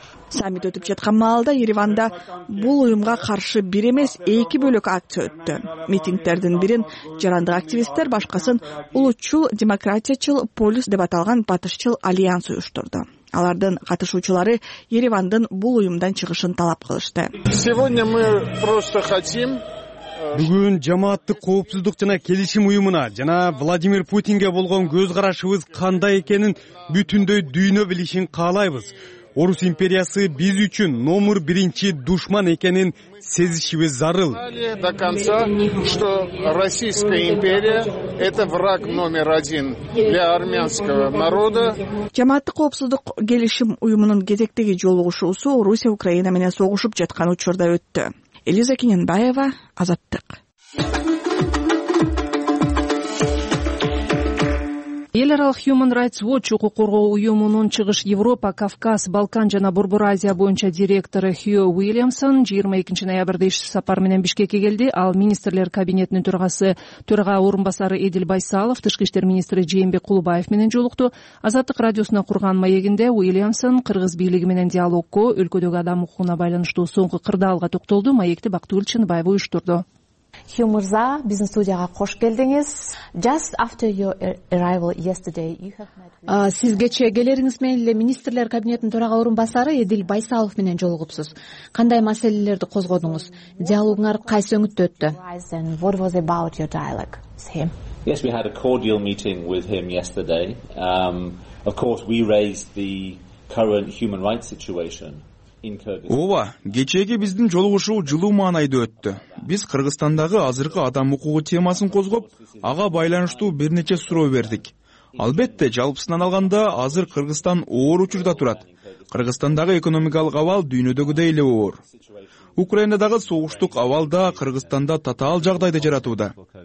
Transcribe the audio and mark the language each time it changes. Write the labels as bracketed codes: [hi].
[ky] Саммит өтүп жаткан маалда Ереванда бул уюмга каршы бир эмес эки бөлөк акция өттү. Митингтердин бирин жарандык активисттер, башкасын улутчул демократиячыл полюс деп аталган батышчыл альянс уюштурду. Алардын катышуучулары Еревандын бул уюмдан чыгышын талап кылышты. [ru] Сегодня мы просто хотим [ky] Бүгүн жамааттык коопсуздук жана келишим уюмуна жана Владимир Путинге болгон көз карашыбыз кандай экенин бүтүндөй дүйнө билишин каалайбыз. Орус империясы биз үчүн номер биринчи душман экенин сезишибиз зарыл. [ru] До конца, что Российская империя это враг номер один для армянского народа. [ky] Жамааттык коопсуздук келишим уюмунун кезектеги жолугушуусу Орусия Украина менен согушуп жаткан учурда өттү. Элиза Кененбаева, Азаттык. Эл аралык Human Rights Watch укук коргоо уюмунун чыгыш Европа, Кавказ, Балкан жана Борбор Азия боюнча директору Хью Уильямсон 22 ноябрда иш сапар менен Бишкекке келди. Ал министрлер кабинетинин төрагасы, төрага орун басары Эдил Байсалов, тышкы иштер министри Жээнбек Кулубаев менен жолукту. Азаттык радиосуна курган маегинде Уильямсон кыргыз бийлиги менен диалогко өлкөдөгү адам укугуна байланыштуу соңку кырдаалга токтолду. Маекти Бактыгүл Чыныбаев уюштурду. Хью Мырза, биздин студияга кош келдиңиз. [en] Just after your arrival yesterday, you have met with... [ky] Сиз кечээ келериңиз менен эле министрлер кабинетинин төрага орун басары Эдил Байсалов менен жолугупсуз. Кандай маселелерди козгодуңуз? Диалогуңар кайсы өңүттө өттү? [en] What was about your dialogue with him? Yes, we had a cordial meeting with him yesterday. Of course, we raised the current human rights situation. [ky] Ооба, кечээки биздин жолугушуу жылуу маанайда өттү. Биз Кыргызстандагы азыркы адам укугу темасын козгоп, ага байланыштуу бир нече суроо бердик. Албетте, жалпысынан алганда, азыр Кыргызстан оор учурда турат. Кыргызстандагы экономикалык абал дүйнөдөгүдөй эле оор. Украинадагы согуштук абал да Кыргызстанда татаал жагдайды жаратууда.